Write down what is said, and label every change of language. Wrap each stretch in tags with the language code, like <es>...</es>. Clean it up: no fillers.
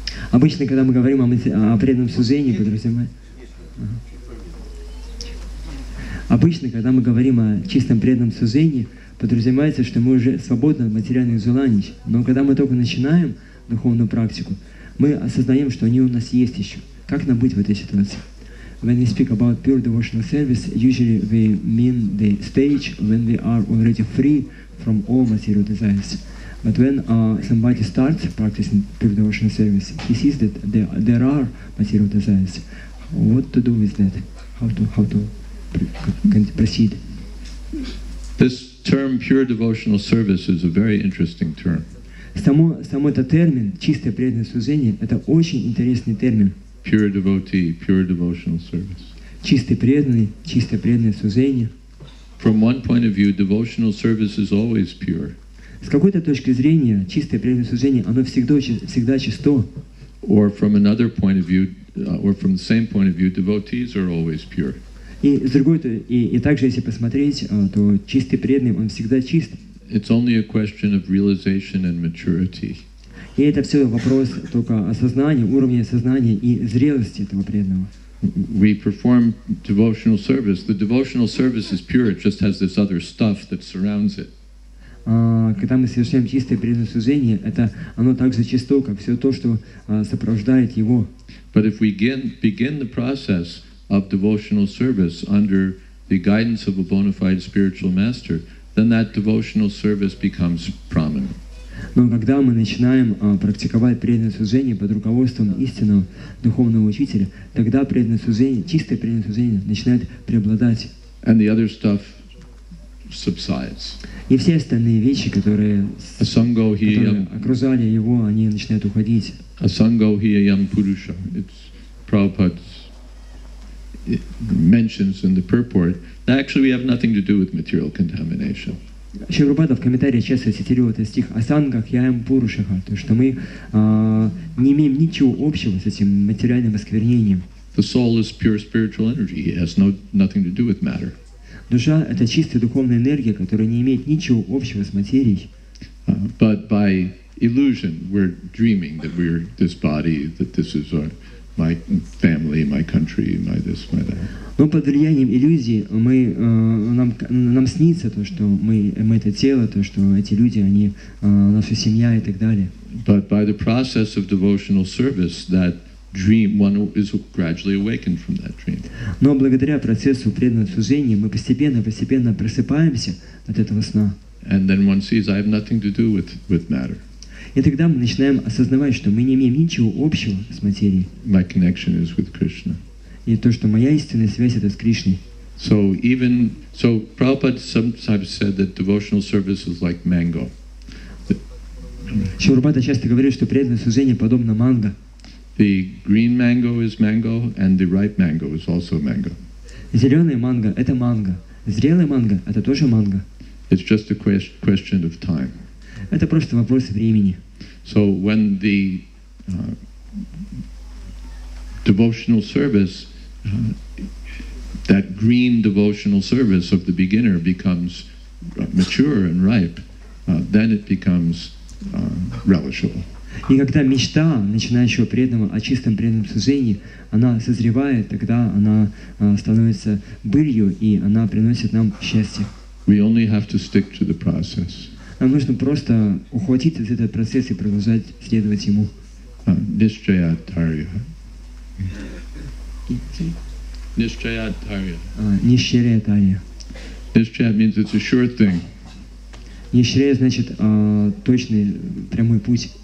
<ru>Обычно, когда мы говорим о преданном служении, друзья мои, обычно, когда мы говорим о чистом преданном служении, подразумевается, что мы уже свободны от материальных желаний. Но когда мы только начинаем духовную практику, мы осознаем, что они у нас есть еще. Как нам быть в этой ситуации?</ru> <en>When we speak about pure devotional service, usually we mean the stage when we are already free from all material desires. But when somebody starts practicing pure devotional service, he sees that there are material desires. What to do with that? How to proceed? This term, pure devotional service, is a very interesting term.</en> <ru>Само этот термин, чистое преданное служение, это очень интересный термин.</ru> <en>Pure devotee, pure devotional service.</en> <ru>Чистое преданное служение.</ru> <en>From one point of view, devotional service is always pure.</en> <ru>С какой-то точки зрения, чистое преданное служение, оно всегда чисто.</ru> <en>Or from another point of view, or from the same point of view, devotees are always pure.</en> <ru>И также, если посмотреть, то чистый преданный, он всегда чист.</ru> <en>It's only a question of realization and maturity.</en> <ru>И это все вопрос только осознания, уровня сознания и зрелости этого преданного.</ru> <en>We perform devotional service. The devotional service is pure. It just has this other stuff that surrounds it.</en> <ru>Когда мы совершаем чистое преданное служение, это оно так же чисто, как все то, что сопровождает его.</ru> <en>But if we begin the process of devotional service under the guidance of a bona fide spiritual master, then that devotional service becomes prominent.</en> <ru>Но когда мы начинаем практиковать преданное служение под руководством истинного духовного учителя, тогда преданное служение, чистое преданное служение начинает преобладать.</ru> <en>And the other stuff subsides.</en> <ru>И все остальные вещи, которые окружали его, они начинают уходить.</ru> <sa>Asango hiyam purusha.</sa> <en>It's Prabhupada's, it mentions in the purport. Actually, we have nothing to do with material contamination.</en> <ru>Шри Прабхупада в комментарии часто цитирует этот стих</ru> <sa>«Асанга хьяям пурушаха»,</sa> <ru>то что мы не имеем ничего общего с этим материальным осквернением.</ru> <en>The soul is pure spiritual energy. It has nothing to do with matter.</en> <ru>Душа — это чистая духовная энергия, которая не имеет ничего общего с материей.</ru> <en>But by illusion, we're dreaming that we're this body, that this is my family, my country, my this, my that.</en> <ru>Но под влиянием иллюзии нам снится то, что мы это тело, то, что эти люди, они наша семья и так далее.</ru> <en>But by the process of devotional service, that dream, one is gradually awakened from that dream.</en> <ru>Но благодаря процессу преданного служения мы постепенно просыпаемся от этого сна.</ru> <en>And then one sees, I have nothing to do with matter.</en> <ru>И тогда мы начинаем осознавать, что мы не имеем ничего общего с материей.</ru> <en>My connection is with Krishna.</en> <ru>И то, что моя истинная связь — это с Кришной.</ru> <en>So Prabhupada sometimes said that devotional service is like mango.</en> <ru>Шри Прабхупада часто говорит, что преданное служение подобно манго.</ru> <en>The green mango is mango, and the ripe mango is also mango.</en> <ru>Зеленая манго — это манго. Зрелая манго — это тоже манго.</ru> <en>It's just a question of time.</en> <ru>Это просто вопрос времени.</ru> <en>So when the devotional service, that green devotional service of the beginner becomes mature and ripe, then it becomes relishable.</en> <ru>И когда мечта начинающего преданного о чистом преданном служении, она созревает, тогда она становится былью, и она приносит нам счастье.</ru> <en>We only have to stick to the process.</en> <ru>Нам нужно просто ухватить из этого процесса и продолжать следовать ему.</ru> <sa>Нишчая Атарья. Нишчая Атарья.</sa> <en>Нишчая means it's a sure thing.</en> <ru>Нишчая значит точный, прямой путь.</ru>